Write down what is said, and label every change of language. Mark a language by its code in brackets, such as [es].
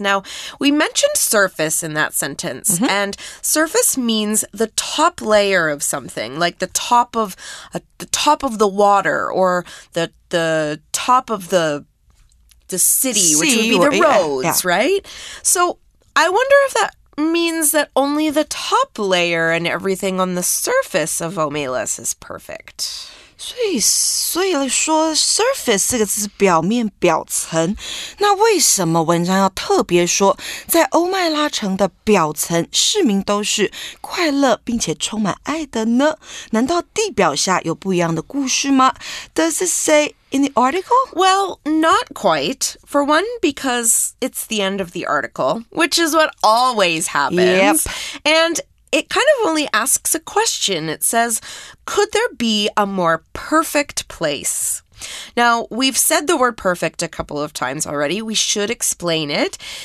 [en] Now, we mentioned surface in that sentence, mm-hmm. and surface means the top layer of something, like the top of, the top of the water or the top of the... The city, which would be the roads, yeah. right? So I wonder if that means that only the top layer and everything on the surface of Omelas is perfect. [zh] 所以来说 surface 这个字是表面表层，那为什么文章要特别说在欧麦拉城的表层市民都是快乐并且充满爱的呢？难道地表下有不一样的故事吗？ [en] Does it say in the article? Well, not quite. For one, because it's the end of the article, which is what always happens. Yep. AndIt kind of only asks a question. It says, could there be a more perfect place? Now, we've said the word perfect a couple of times already. We should explain it.